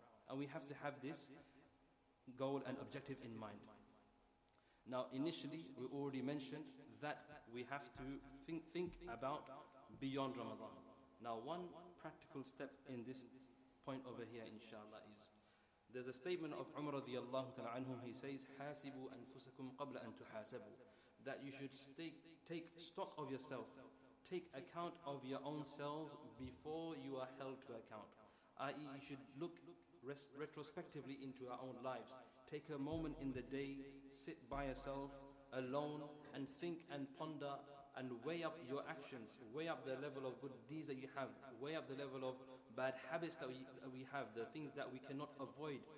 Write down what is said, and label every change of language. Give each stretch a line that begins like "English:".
English: And we have to have this goal and objective in mind. Now, initially, we already mentioned that we have to think about beyond Ramadan. Now, one practical step in this point over here, inshallah, is there's a statement of Umar radiallahu ta'ala anhu.
Arabic: He says, حَاسِبُوا أَنفُسَكُمْ قَبْلَ أَن تُحَاسَبُوا.
English: That you should take stock of yourself, take account of your own selves before you are held to account. I.e., you should look retrospectively into our own lives. Take a moment in the day, sit by yourself, alone, and think and ponder and weigh up your actions, weigh up the level of good deeds that you have, weigh up the level of bad habits that we have, the things that we cannot avoid.